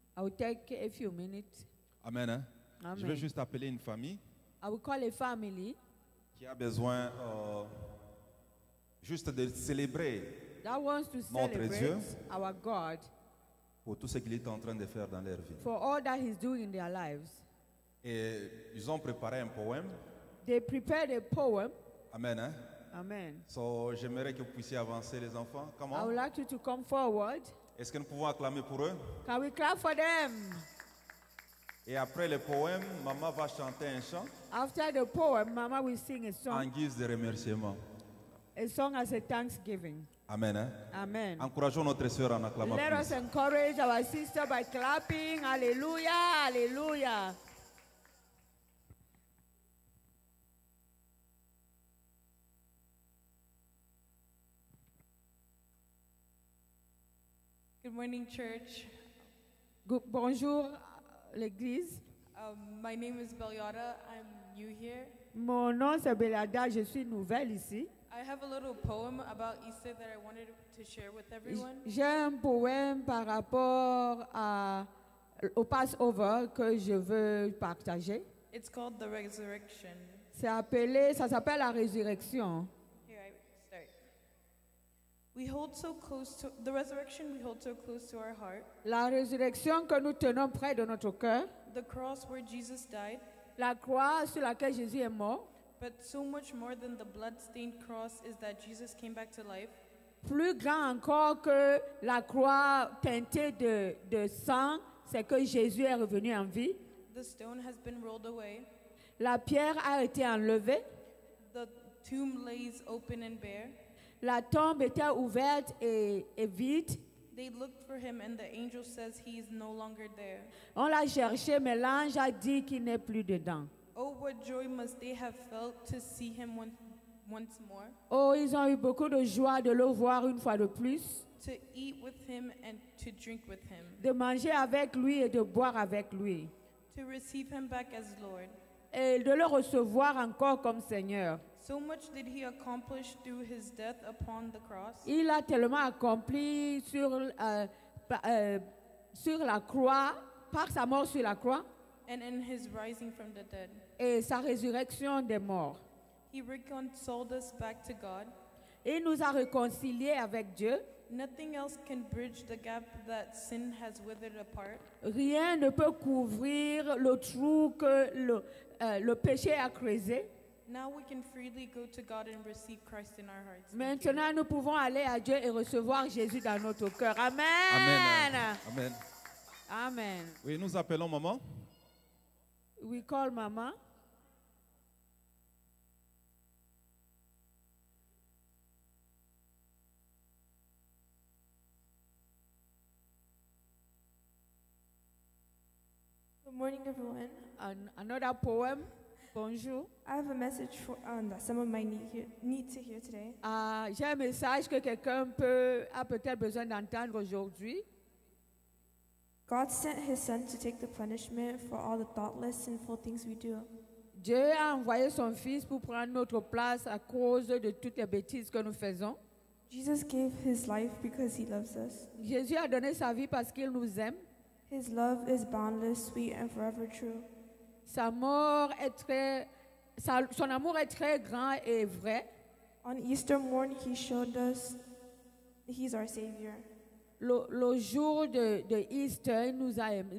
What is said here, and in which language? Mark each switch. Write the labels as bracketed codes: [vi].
[en] I will take a few minutes. Amen. Amen. [fr] Je vais juste appeler une famille. [en] I will call a family. [fr] Qui a besoin juste de célébrer. [en] That wants to [fr] notre Dieu, [en] our God, [fr] pour tout ce qu'il est en train de faire dans leur vie. [en] For all that he's doing in their lives. [fr] Et ils ont préparé un poème. [en] They prepared a poem. Amen. Hein? Amen. [fr] So, j'aimerais que vous puissiez avancer, les enfants. [en] Come on. I would like you to come forward. [fr] Est-ce que nous pouvons acclamer pour eux? [en] Can we clap for them? [fr] Et après le poème, maman va chanter un chant. [en] After the poem, mama will sing a song. [fr] En guise de remerciement. [en] A song as a thanksgiving. Amen. Hein? Amen. [fr] Encourageons notre sœur en acclamant. [en] Let us encourage our sister by clapping. Alléluia, alléluia. Good morning, church. [fr] Bonjour, l'église. [en] My name is Beliada. I'm new here. [fr] Mon nom c'est Beliada. Je suis nouvelle ici. [en] I have a little poem about Easter that I wanted to share with everyone. [fr] J'ai un poème par rapport à au Passover que je veux partager. [en] It's called the resurrection. [fr] C'est appelé, ça s'appelle la résurrection. [en] Here I start. We hold so close to the resurrection, we hold so close to our heart. [fr] La résurrection que nous tenons près de notre cœur. [en] The cross where Jesus died. [fr] La croix sur laquelle Jésus est mort. [en] But so much more than the blood-stained cross is that Jesus came back to life. [fr] Plus grand encore que la croix teintée de sang, c'est que Jésus est revenu en vie. [en] The stone has been rolled away. [fr] La pierre a été enlevée. [en] The tomb lays open and bare. [fr] La tombe était ouverte et vide. [en] They looked for him and the angel says he is no longer there. [fr] On l'a cherché, mais l'ange a dit qu'il n'est plus dedans. [en] Oh, what joy must they have felt to see him once more? [fr] Oh, ils ont eu beaucoup de joie de le voir une fois de plus. [en] To eat with him and to drink with him. [fr] De manger avec lui et de boire avec lui. [en] To receive him back as Lord. [fr] Et de le recevoir encore comme Seigneur. [en] So much did he accomplish through his death upon the cross. [fr] Il a tellement accompli sur la croix, par sa mort sur la croix. [en] And in his rising from the dead. [fr] Et sa résurrection des morts. [en] He reconciled us back to God. [fr] Il nous a réconciliés avec Dieu. [en] Nothing else can bridge the gap that sin has withered apart. [fr] Rien ne peut couvrir le trou que le péché a creusé. [en] Now we can freely go to God and receive Christ in our hearts. [fr] Maintenant, nous pouvons aller à Dieu et recevoir Jésus dans notre cœur. Amen. Amen. Amen. Oui, nous appelons maman. [en] We call mama. Good morning, everyone. Another poem. [fr] Bonjour. [en] I have a message for that someone might need to hear today. [fr] J'ai un message que quelqu'un a peut-être besoin d'entendre aujourd'hui. [en] God sent his son to take the punishment for all the thoughtless, sinful things we do. [fr] Dieu a envoyé son fils pour prendre notre place à cause de toutes les bêtises que nous faisons. [en] Jesus gave his life because he loves us. [fr] Jésus a donné sa vie parce qu'il nous aime. [en] His love is boundless, sweet, and forever true. [fr] Sa mort est très, son amour est très grand et vrai. [en] On Easter morn, he showed us he's our Savior. [fr] Le jour de Easter, il nous a aimé.